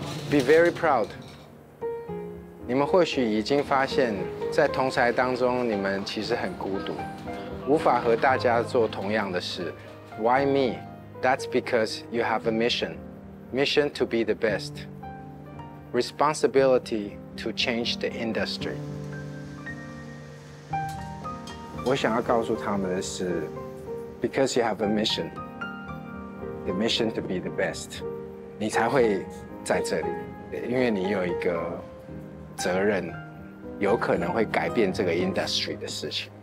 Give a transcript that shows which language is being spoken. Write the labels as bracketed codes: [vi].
[en] Be very proud。 [zh] 你们或许已经发现，在同侪当中，你们其实很孤独，无法和大家做同样的事。 [en] Why me? That's because you have a mission. Mission to be the best. Responsibility to change the industry. [zh] 我想要告诉他们的是 ， [en] because you have a mission, the mission to be the best, [zh] 你才会在这里，因为你有一个责任，有可能会改变这个 industry 的事情。